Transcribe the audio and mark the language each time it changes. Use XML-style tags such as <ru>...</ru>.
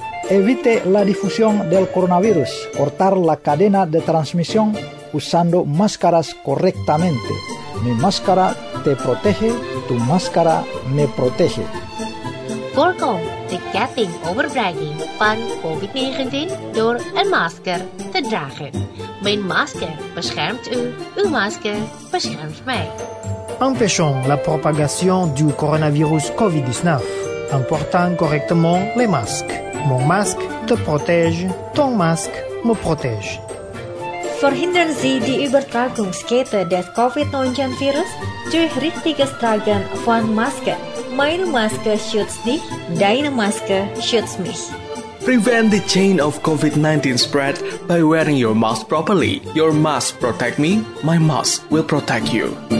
<es>Evite la difusión del coronavirus, cortar la cadena de transmisión usando máscaras correctamente. Mi máscara te protege, tu máscara me protege.</es> <nl>Voorkom de ketting overdraging van COVID-19 door een masker te dragen. Mijn masker beschermt u, uw masker beschermt mij.</nl> <fr>Empêchons la propagation du coronavirus COVID-19 en portant correctement les masques. Mon masque te protège, ton masque me protège.</fr> <de>Verhinderen Sie die Übertragungskette des COVID-19 Virus durch richtiges Tragen von Masken. Meine Maske schützt dich, deine Maske schützt mich.</de> <en>Prevent the chain of COVID-19 spread by wearing your mask properly. Your mask protect me, my mask will protect you.</en>